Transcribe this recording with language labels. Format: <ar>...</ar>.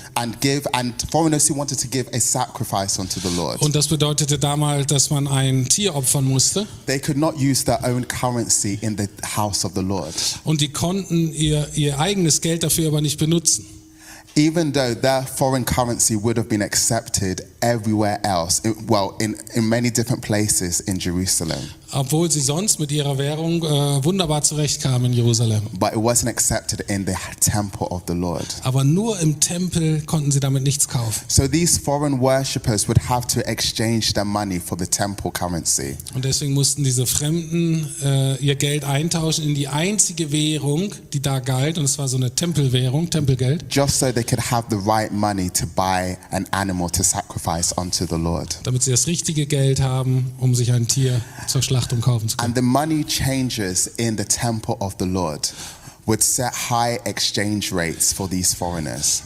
<en>And foreigners who wanted to give a sacrifice unto the Lord.</en> <de>Und das bedeutete damals, dass man ein Tier opfern musste.</de> <en>They could not use their own currency in the house of the Lord.</en> <de>Und die konnten ihr eigenes Geld dafür aber nicht benutzen.</de> <en>Even though their foreign currency would have been accepted everywhere else, in many different places in Jerusalem.</en> <de>Obwohl sie sonst mit ihrer Währung wunderbar zurechtkamen in Jerusalem.</de> <en>But it wasn't accepted in the temple of the Lord.</en> <de>Aber nur im Tempel konnten sie damit nichts kaufen.</de> <en>So these foreign worshippers would have to exchange their money for the temple currency.</en> <de>Und deswegen mussten diese Fremden ihr Geld eintauschen in die einzige Währung, die da galt, und es war so eine Tempelwährung, Tempelgeld.</de> <en>Just so they could have the right money to buy an animal to sacrifice unto the Lord.</en> <de>Damit sie das richtige Geld haben, um sich ein Tier zu Schlachtung kaufen zu können.</de> <en>And the money changers in the temple of the Lord would set high exchange rates for these foreigners.</en>